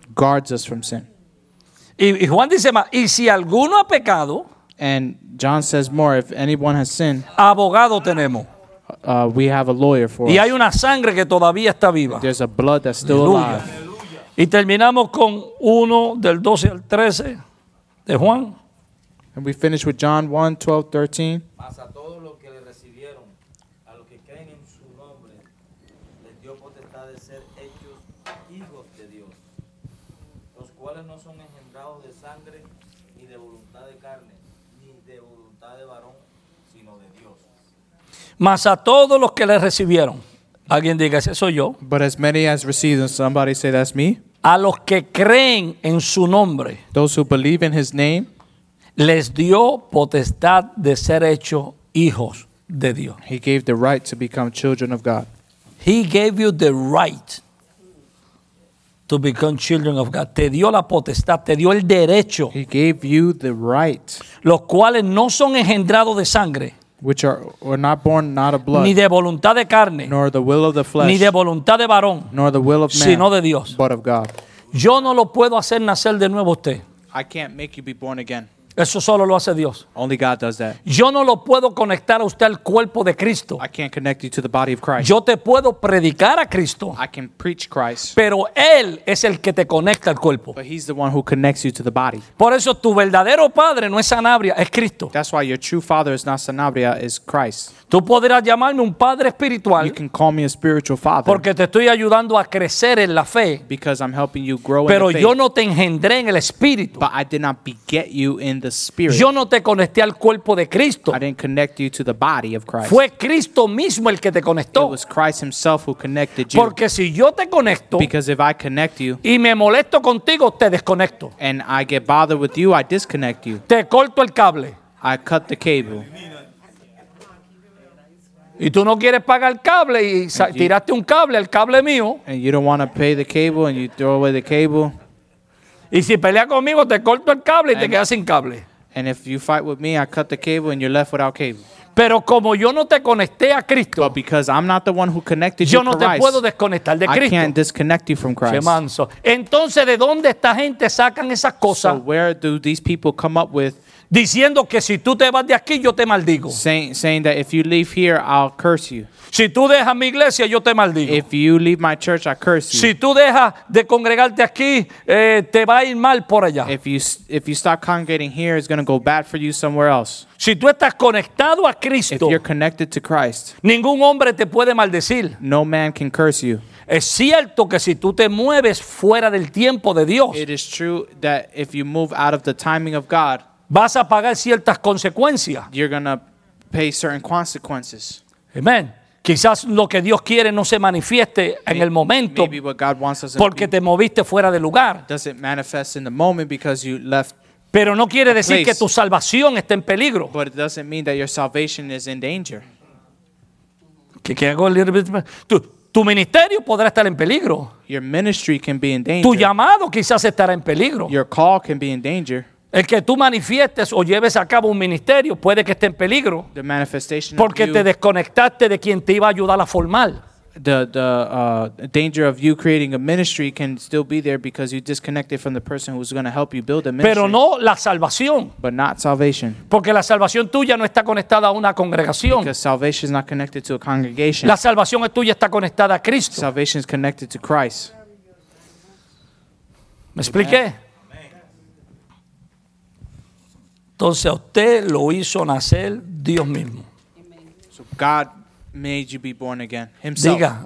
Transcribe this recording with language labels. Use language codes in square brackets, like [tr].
[en] Guards us from sin. [es] Y Juan dice más, y si alguno ha pecado, [en] and John says more, if anyone has sinned, [es] abogado tenemos. [en] We have a lawyer for [es] y [en] us. [es] Y hay una sangre que todavía está viva. [en] There's a blood that's still [es] Aleluya. [en] Alive. [es] Y terminamos con 1 del 12 al 13 de Juan. [en] And we finish with John 1, 12, 13. [es] Mas a todos los que le recibieron, a los que creen en su nombre, les dio potestad de ser hechos hijos de Dios, los cuales no son engendrados de sangre, ni de voluntad de carne, ni de voluntad de varón, sino de Dios. Mas a todos los que le recibieron, alguien diga, ese soy yo. [en] But as many as received, somebody say, that's me. [es] A los que creen en su nombre. [en] Those who believe in his name. [es] Les dio potestad de ser hecho hijos de Dios. [en] He gave the right to become children of God. He gave you the right to become children of God. [es] Te dio la potestad, te dio el derecho. [en] He gave you the right. [es] Los cuales no son engendrados de sangre. [en] Which are not born not of blood. [es] Ni de voluntad de carne. [en] Nor the will of the flesh. [es] Ni de voluntad de varón. [en] Nor the will of man. [es] Sino de Dios. [en] But of God. [es] Yo no lo puedo hacer nacer de nuevo usted. [en] I can't make you be born again. [es] Eso solo lo hace Dios. [en] Only God does that. [es] Yo no lo puedo conectar a usted al cuerpo de Cristo. [en] I can't connect you to the body of Christ. [es] Yo te puedo predicar a Cristo. [en] I can preach Christ. [es] Pero él es el que te conecta al cuerpo. [en] But he's the one who connects you to the body. [es] Por eso tu verdadero padre no es Sanabria, es Cristo. [en] That's why your true father is not Sanabria, is Christ. [es] Tú podrás llamarme un padre espiritual. [en] You can call me a spiritual father. [es] Porque te estoy ayudando a crecer en la fe. [en] Because I'm helping you grow in the faith. [es] yo no te engendré en el espíritu. [en] But I did not beget you in the spirit. [es] Yo no te conecté al cuerpo de Cristo. [en] I didn't connect you to the body of Christ. [es] Fue Cristo mismo el que te conectó. [en] It was Christ himself who connected you. [es] Porque si yo te conecto. [en] Because if I connect you. [es] Y me molesto contigo, te desconecto. [en] And I get bothered with you, I disconnect you. [es] Te corto el cable. [en] I cut the cable. [es] Y tú no quieres pagar el cable y tiraste un cable, el cable mío. [en] And you don't want to pay the cable and you throw away the cable. [es] Y si peleas conmigo, te corto el cable y te quedas sin cable. [en] And if you fight with me, I cut the cable and you're left without cable. [es] Pero como yo no te conecté a Cristo. [en] But because I'm not the one who connected you to Christ. [es] Yo no te puedo desconectar de Cristo. [en] I can't disconnect you from Christ. [es] Qué manso. Entonces, ¿de dónde esta gente sacan esas cosas? [en] So where do these people come up with? [es] Diciendo que si tú te vas de aquí, yo te maldigo. [en] Saying that if you leave here, I'll curse you. [es] Si tú dejas mi iglesia, yo te maldigo. [en] If you leave my church, I curse you. [es] Si tú dejas de congregarte aquí, te va a ir mal por allá. [en] If you stop congregating here, it's going to go bad for you somewhere else. [es] Si tú estás conectado a Cristo, [en] if you're connected to Christ, [es] ningún hombre te puede maldecir. [en] No man can curse you. [es] Es cierto que si tú te mueves fuera del tiempo de Dios, [en] it is true that if you move out of the timing of God, [es] vas a pagar ciertas consecuencias. [en] You're going to pay certain consequences. Amen. [es] Quizás lo que Dios quiere no se manifieste en el momento. [en] Maybe what God wants doesn't [es] porque te moviste fuera de lugar. [en] Doesn't manifest in the moment because you left. [es] Pero no quiere decir que tu salvación esté en peligro. [en] But it doesn't mean that your salvation is in danger. [es] Que hago [en] a little bit. [es] Tu ministerio podrá estar en peligro. [en] Your ministry can be in danger. [es] Tu llamado quizás estará en peligro. [en] Your call can be in danger. [es] El que tú manifiestes o lleves a cabo un ministerio puede que esté en peligro. [en] The manifestation [es] porque [en] of [es] te desconectaste de quien te iba a ayudar a formar. [en] The danger of you creating a ministry can still be there because you disconnected from the person who's going to help you build a ministry. [es] Pero no la salvación. [en] But not salvation. [es] Porque la salvación tuya no está conectada a una congregación. [en] Because salvation is not connected to a congregation. [es] La salvación es tuya está conectada a Cristo. [en] Salvation is connected to Christ. [es] ¿Me expliqué? Entonces usted lo hizo nacer Dios mismo. [en] So God made you be born again. Himself.